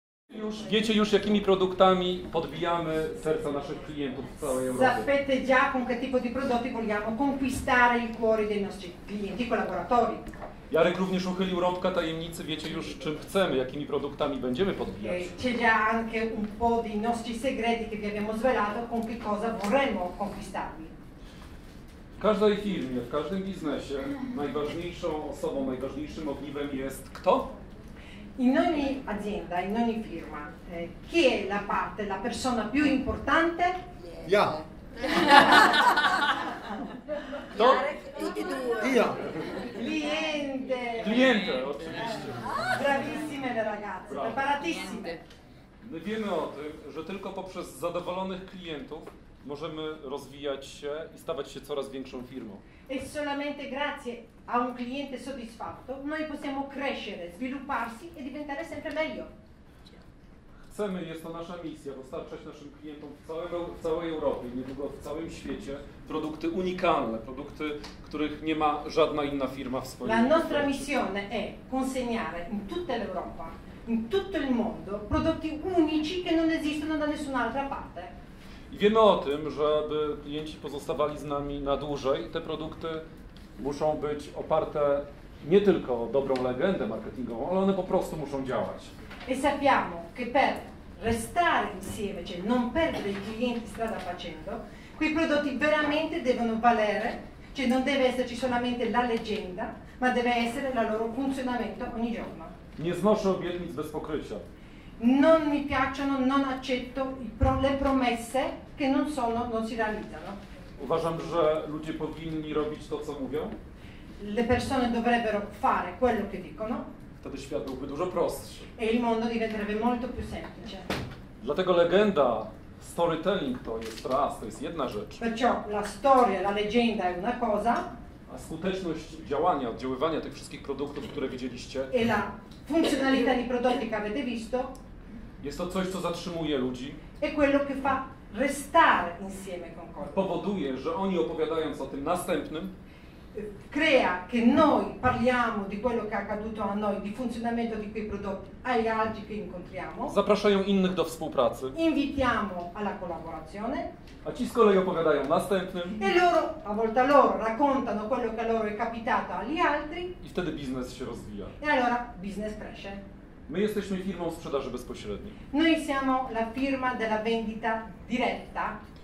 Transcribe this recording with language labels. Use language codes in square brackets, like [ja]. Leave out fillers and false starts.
[pl] Już wiecie już, jakimi produktami podbijamy serca naszych klientów w całej Europie. [it] Sapete già con che tipo di prodotti vogliamo conquistare il cuore dei nostri clienti, collaboratori. [pl] Jarek również uchylił rąbka tajemnicy, wiecie już, czym chcemy, jakimi produktami będziemy podbijać. [it] C'è già anche un po' dei nostri segreti che vi abbiamo svelato, con che cosa vorremmo conquistarvi. [pl] W każdej firmie, w każdym biznesie najważniejszą osobą, najważniejszym ogniwem jest kto? [it] In ogni azienda, in ogni firma, chi è la parte, la persona più importante? Yeah. Ja. [pl] To? [it] Tutti due. Io. Cliente. [pl] Cliente, oczywiście. [it] Bravissime le ragazze, preparatissime. [pl] My wiemy o tym, że tylko poprzez zadowolonych klientów możemy rozwijać się i stawać się coraz większą firmą. [it] E solamente grazie a un cliente soddisfatto noi possiamo crescere, svilupparsi e diventare sempre meglio. [pl] Chcemy, jest to nasza misja, dostarczać naszym klientom w całej Europie, niedługo w całym świecie, produkty unikalne, produkty, których nie ma żadna inna firma w swoim. [it] La nostra missione è consegnare in tutta l'Europa, in tutto il mondo, prodotti unici che non esistono da nessun'altra parte. [pl] I wiemy o tym, że aby klienci pozostawali z nami na dłużej, te produkty muszą być oparte nie tylko o dobrą legendę marketingową, ale one po prostu muszą działać. [it] E sappiamo che per restare insieme, cioè non perdere i clienti strada facendo, quei prodotti veramente devono valere, cioè non deve esserci solamente la leggenda, ma deve essere il loro funzionamento ogni giorno. [pl] Nie znoszę obietnic bez pokrycia. [it] Non mi piacciono, non accetto le promesse che non sono, non si realizzano. [pl] Uważam, że ludzie powinni robić to, co mówią. [it] Le persone dovrebbero fare quello che dicono. [pl] Wtedy świat byłby dużo prostszy. [it] E il mondo diventerebbe molto più semplice. [pl] Dlatego legenda, storytelling to jest raz, to jest jedna rzecz. [it] Perciò la storia, la leggenda è una cosa. [pl] A skuteczność działania, oddziaływania tych wszystkich produktów, które widzieliście. [it] E la funzionalità dei prodotti che avete visto. [pl] Jest to coś, co zatrzymuje ludzi. [it] E quello che fa restare insieme con voi. [pl] Powoduje, że oni opowiadając o tym następnym. [it] Crea che noi parliamo di quello che è accaduto a noi, di funzionamento di quei prodotti agli altri che incontriamo. [pl] Zapraszają innych do współpracy. [it] Invitiamo alla collaborazione. [pl] A ci z kolei opowiadają następnym. [it] E loro, a volta loro, raccontano quello che loro è capitato agli altri. [pl] I wtedy biznes się rozwija. [it] E allora biznes cresce. [pl] My jesteśmy firmą sprzedaży bezpośredniej. [it] Noi siamo la firma della vendita diretta.